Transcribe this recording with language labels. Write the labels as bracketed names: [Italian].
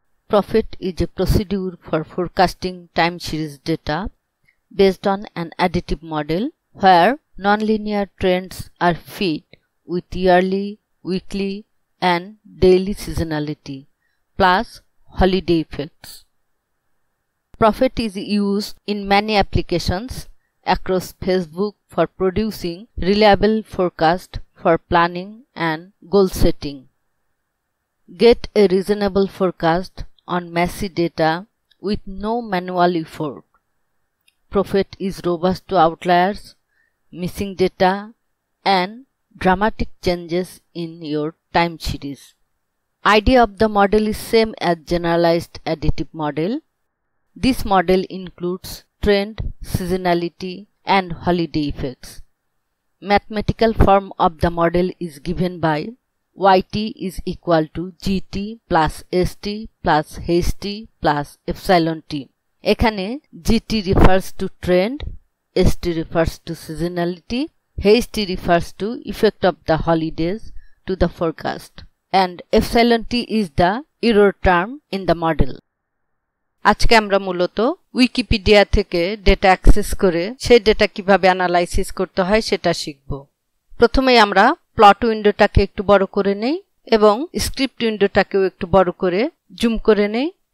[English] Prophet is a procedure for forecasting time series data based on an additive model where non linear trends are fit with yearly, weekly and daily seasonality plus holiday effects. Profit is used in many applications across Facebook for producing reliable forecast for planning and goal setting. Get a reasonable forecast on messy data with no manual effort. Profit is robust to outliers, missing data and dramatic changes in your time series. Idea of the model is same as generalized additive model. This model includes trend, seasonality, and holiday effects. Mathematical form of the model is given by yt is equal to gt plus st plus ht plus epsilon t. Ekhane gt refers to trend, st refers to seasonality, ht refers to effect of the holidays to the forecast. And epsilon t is the error term in the model. [Bangla] আজকে আমরা মূলত Wikipedia থেকে data access করে সেই data কিভাবে analysis করতে হয় সেটা শিখব। প্রথমেই আমরা প্লট উইন্ডোটাকে একটু বড় করে নেই এবং স্ক্রিপ্ট উইন্ডোটাকেও একটু বড় করে জুম করে নেই।